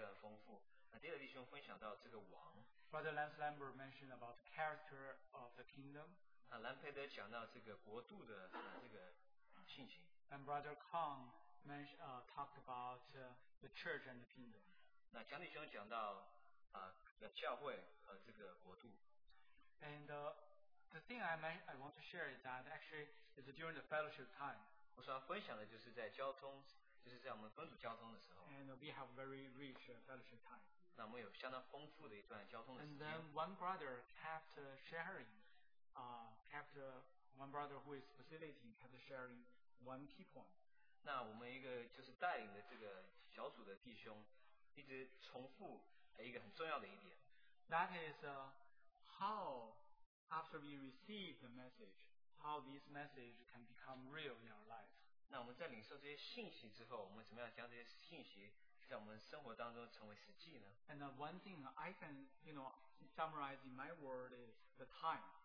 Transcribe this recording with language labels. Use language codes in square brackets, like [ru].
[zh] 那这次大会的这个讯息是非常丰富。那第二弟兄分享到这个王。 [en] Brother Lance Lambert mentioned about the character of the kingdom. [zh] 那兰佩德讲到这个国度的这个信息。 [en] And Brother Kong talked about the church and the kingdom. [zh] 那蒋弟兄讲到教会和这个国度。 [en] And the thing I want to share is that actually it's during the fellowship time. [zh] 我所要分享的就是在交通。 [en] And we have very rich fellowship time. [zh] 那我们有相当丰富的一段交通的时间。 [en] And then one brother kept sharing, kept One brother who is facilitating kept sharing one key point. [zh] 那我们一个就是带领的这个小组的弟兄一直重复一个很重要的一点。 [en] That is how after we receive the message, how this message can become real in our life. [zh] 那我们在领受这些信息之后，我们怎么样将这些信息在我们生活当中成为实际呢？ [en] And one thing I can, you know, summarize in my word is the time.